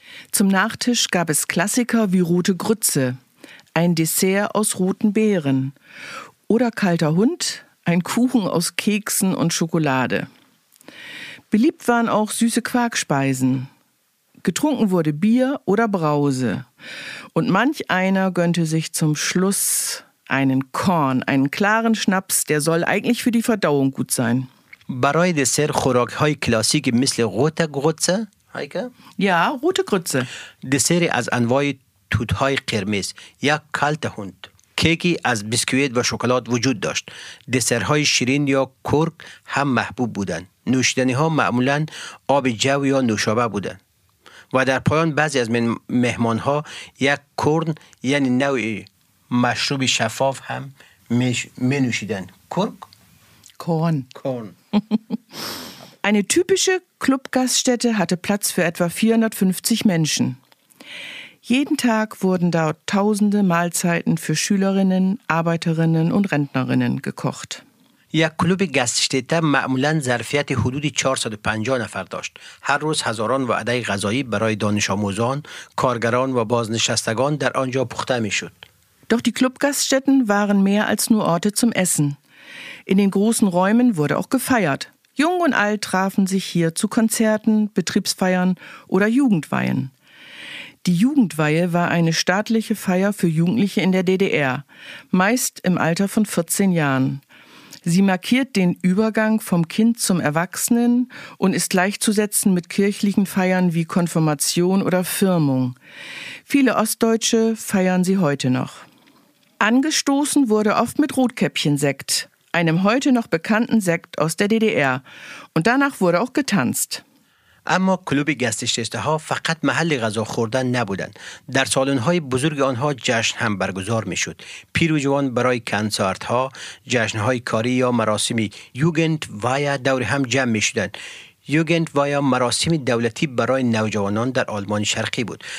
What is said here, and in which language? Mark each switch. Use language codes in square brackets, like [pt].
[de] Zum Nachtisch gab es Klassiker wie rote Grütze, ein Dessert aus roten Beeren oder kalter Hund, ein Kuchen aus Keksen und Schokolade. Beliebt waren auch süße Quarkspeisen. Getrunken wurde Bier oder Brause. Und manch einer gönnte sich zum Schluss einen Korn, einen klaren Schnaps, der soll eigentlich für die Verdauung gut sein. [fa] برای دسر خوراک های کلاسیک مثل rote Grütze, Heike? [de] Ja, rote Grütze. [fa] دسر از انواع توت های قرمز یا کالته هند. کیکی از بیسکویت و شکلات وجود داشت. دسرهای شیرین یا کورک هم محبوب بودند. نوشیدنی ها معمولا آب جو یا نوشابه بودند. و در پایان بعضی از مهمان ها یک کورن یعنی نوع مشروب شفاف هم می نوشیدند. کورک؟ کورن. کورن. [de] Eine typische Club-Gaststätte hatte Platz für etwa 450 Menschen. Jeden Tag wurden dort tausende Mahlzeiten für Schülerinnen, Arbeiterinnen und Rentnerinnen gekocht. [fa] یک کلوب گاستشته معمولاً ظرفیت حدود 450 نفر داشت. هر روز هزاران وعده غذایی برای دانش آموزان، کارگران و بازنشستگان در آنجا پخته می‌شد. [de] Doch die Club-Gaststätten waren mehr als nur Orte zum Essen. In den großen Räumen wurde auch gefeiert. Jung und alt trafen sich hier zu Konzerten, Betriebsfeiern oder Jugendweihen. Die Jugendweihe war eine staatliche Feier für Jugendliche in der DDR, meist im Alter von 14 Jahren. Sie markiert den Übergang vom Kind zum Erwachsenen und ist gleichzusetzen mit kirchlichen Feiern wie Konfirmation oder Firmung. Viele Ostdeutsche feiern sie heute noch. Angestoßen wurde oft mit Rotkäppchen-Sekt, einem heute noch bekannten Sekt aus der DDR. Und danach wurde auch getanzt. [fa] اما کلوب گاستشته ها فقط محل غذا خوردن نبودند. در سالن های بزرگ آنها جشن هم برگزار می شد. پیر و جوان برای کنسرت ها، جشن های کاری یا مراسمی یوگند وایا دور هم جمع می شدند. یوگند وایا مراسم دولتی برای نوجوانان در آلمان شرقی بود.